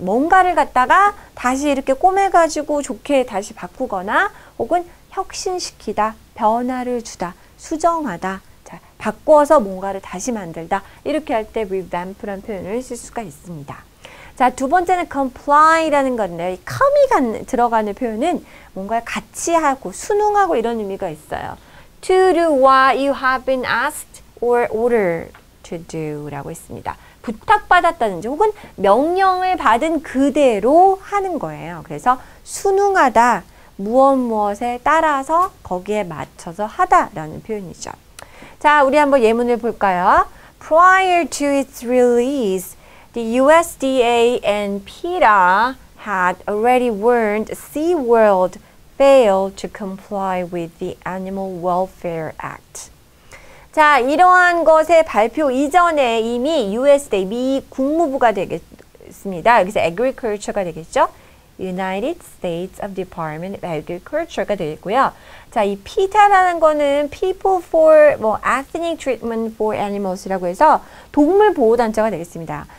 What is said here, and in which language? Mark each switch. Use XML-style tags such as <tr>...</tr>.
<ko>뭔가를 갖다가 다시 이렇게 꼬매가지고 좋게 다시 바꾸거나 혹은 혁신시키다, 변화를 주다, 수정하다, 자, 바꿔서 뭔가를 다시 만들다 이렇게 할 때 revamp라는 표현을 쓸 수가 있습니다. 자, 두 번째는 comply라는 건데요. 이 come이 들어가는 표현은 뭔가 같이 하고 순응하고 이런 의미가 있어요.</ko> <en>To do what you have been asked or ordered to do</en> <ko>라고 했습니다. 부탁받았다든지 혹은 명령을 받은 그대로 하는 거예요. 그래서 순응하다, 무엇무엇에 따라서 거기에 맞춰서 하다라는 표현이죠. 자, 우리 한번 예문을 볼까요?</ko> <en>Prior to its release, the USDA and PETA had already warned SeaWorld failed to comply with the Animal Welfare Act.</en> <ko>자, 이러한 것의 발표 이전에 이미 USDA, 미 국무부가 되겠습니다. 여기서 Agriculture가 되겠죠? United States of Department of Agriculture가 되겠고요. 자, 이 PETA라는 거는 People for 뭐 Ethnic Treatment for Animals라고 해서 동물 보호 단체가 되겠습니다.</ko>